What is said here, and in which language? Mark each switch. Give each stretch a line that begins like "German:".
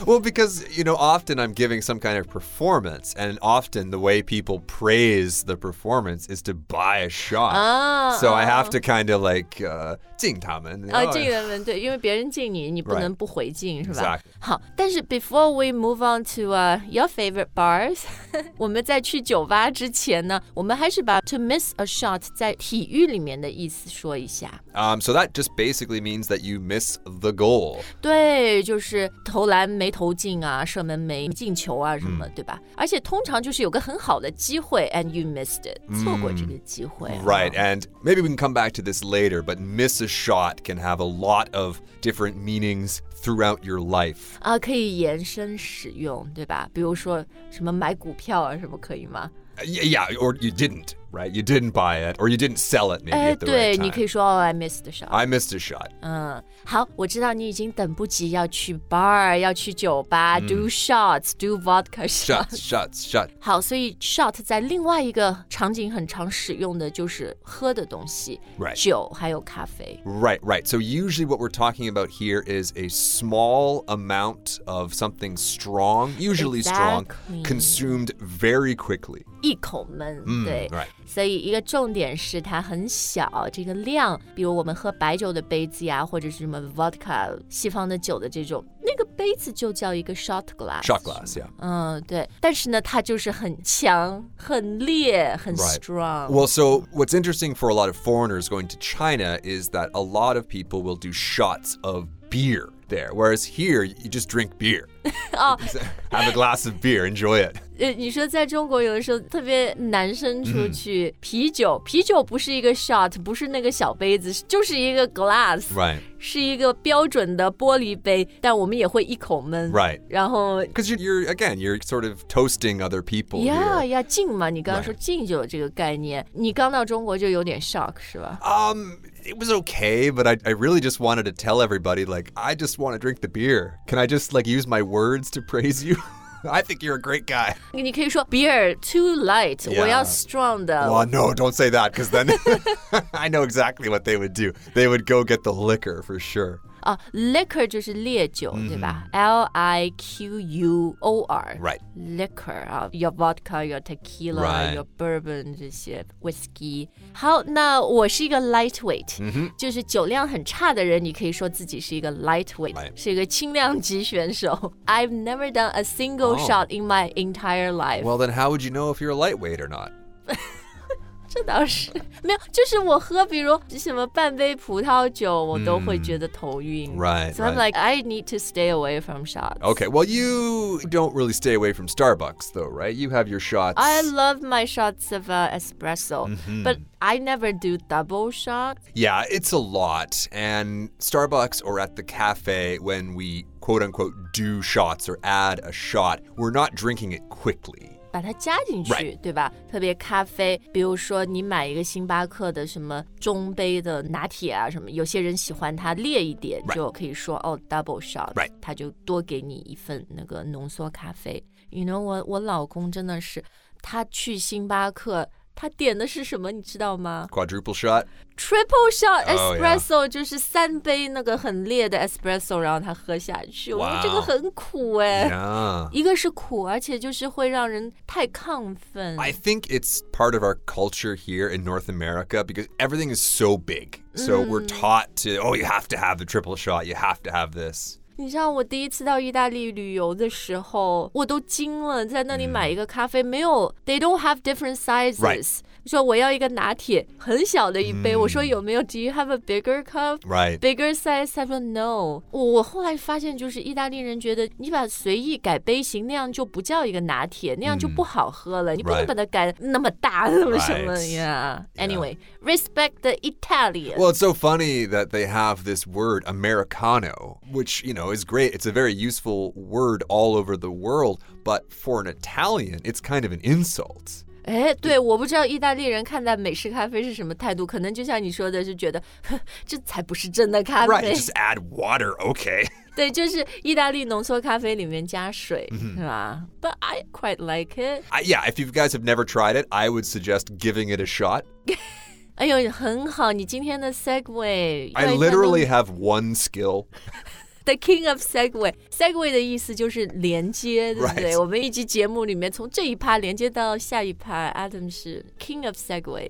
English: Well, because, you know, often I'm giving some kind of performance, and often the way people praise the performance is to buy a shot. So I have to kind of like,
Chinese: 敬他们。敬他们，对，因为别人敬你，你不能不回敬，是吧？
English: Exactly.
Chinese: 好，但是
English: before we move on to your favorite bars,
Chinese: 我们在去酒吧之前呢，我们还是把
English: to miss a shot
Chinese: 在体育里面的意思说一下。
English: So that just basically means that you miss the goal.
Chinese: 对，就是投篮没投进啊，射门没进球啊什么，对吧？而且通常就是有个很好的机会
English: and you missed it,
Chinese: 错过这个机会。
English: Right, and maybe we can come back to this later, but miss a shot can have a lot of different meanings throughout your life.
Chinese: 可以延伸使用，对吧？比如说什么买股票啊，什么可以吗？
English: Yeah, or you didn't, right? You didn't buy it, or you didn't sell it maybe at the right time.
Chinese: 对，你可以说
English: oh, I missed a shot. I missed a shot.
Chinese: 好，我知道你已经等不及要去 bar, 要去酒吧
English: do shots, do vodka shots. Shots, shots, shot.
Chinese: 好，所以 shot 在另外一个场景很常使用的就是喝的东西
English: right.
Chinese: 酒还有咖啡
English: Right, right. So usually what we're talking about here is a small amount of something strong, usually exactly. strong, consumed very quickly.
Chinese: 一口闷对、
English: right.
Chinese: 所以一个重点是它很小这个量比如我们喝白酒的杯子呀或者是什么 vodka 西方的酒的这种那个杯子就叫一个 shot glass
English: shot glass yeah
Chinese: 对但是呢它就是很强很烈很 strong、
English: right. well so what's interesting for a lot of foreigners going to China is that a lot of people will do shots of beerThere, whereas here, you just drink beer. Have a glass of beer, enjoy it.
Chinese: 你说在中国有的时候特别男生出去、啤酒，啤酒不是一个 shot, 不是那个小杯子，就是一个 glass.
English: Right.
Chinese: 是一个标准的玻璃杯，但我们也会一口闷。
English: Right.
Chinese: 然后
English: Because you're, again, you're sort of toasting other people. Yeah,、 here.
Chinese: yeah, 敬嘛，你刚刚说敬酒这个概念。
English: Right.
Chinese: 你刚到中国就有点 shock, 是吧？
English: It was okay, but I really just wanted to tell everybody, like, I just want to drink the beer. Can I just, like, use my words to praise you? I think you're a great guy.
Chinese: 你可以说
English: beer too light,、 yeah.
Chinese: 我要 strong 的。
English: Well, no, don't say that, because then I know exactly what they would do. They would go get the liquor, for sure.
Chinese: Liquor 就是烈酒、对吧 L-I-Q-U-O-R
English: Right Liquor、Your vodka, your tequila、 right.
Chinese: Your bourbon 这些 Whiskey 好那我是一个 lightweight、就是酒量很差的人你可以说自己是一个 lightweight、
English: right.
Chinese: 是一个轻量级选手
English: I've never done a single、
Chinese: oh.
English: shot in my entire life Well then how would you know if you're a lightweight or not?
Chinese: 这倒是没有，就是我喝，比如什么半杯葡萄酒，我都会觉得头晕。
English: Right, so I'm like, I need to stay away from shots. Okay, well, you don't really stay away from Starbucks, though, right? You have your shots. I love my shots of espresso, but I never do double shots. Yeah, it's a lot. And Starbucks or at the cafe, when we quote unquote do shots or add a shot, we're not drinking it quickly.
Chinese: 把它加进去、
English: right.
Chinese: 对吧特别咖啡比如说你买一个星巴克的什么中杯的拿铁啊什么有些人喜欢它烈一点、
English: right.
Chinese: 就可以说哦 double shot、
English: right.
Chinese: 它就多给你一份那个浓缩咖啡
English: You know
Chinese: 我老公真的是他去星巴克他点的是什么你知道吗
English: Quadruple shot Triple shot espresso、 oh, yeah.
Chinese: 就是三杯那个很烈的 espresso 然后他喝下去、
English: wow.
Chinese: 我觉得这个很苦、
English: yeah.
Chinese: 一个是苦而且就是会让人太亢奋
English: I think it's part of our culture here in North America because everything is so big so、we're taught to oh you have to have the triple shot you have to have this
Chinese: 你知道我第一次到意大利旅游的时候我都惊了在那里买一个咖啡、没有
English: they don't have different sizes、 right.
Chinese: 说我要一个拿铁很小的一杯、我说有没有
English: do you have a bigger cup、 right.
Chinese: bigger size 他说 no 我后来发现就是意大利人觉得你把随意改杯型那样就不叫一个拿铁那样就不好喝了、你不能把它改那么大那么什么、
English: right. yeah. anyway yeah. respect the Italian well it's so funny that they have this word Americano which you knowis great. It's a very useful word all over the world, but for an Italian, it's kind of an insult.
Chinese: 哎，对，我不知道意大利人看待美式咖啡是什么态度，可能就像你说的，就觉得这才不是真的咖啡。
English: Right, just add water, okay.
Chinese: 对，就是意大利浓缩咖啡里面加水，是吧？
English: But I quite like it. Yeah, if you guys have never tried it, I would suggest giving it a shot.
Chinese: 哎呦，很好，你今天的 segue。
English: I literally have one skill. The king of segue. Segue
Chinese: 的意思就是连接，对不对？
English: Right.
Chinese: 我们一集节目里面从这一趴连接到下一趴， Adam 是 king of segue.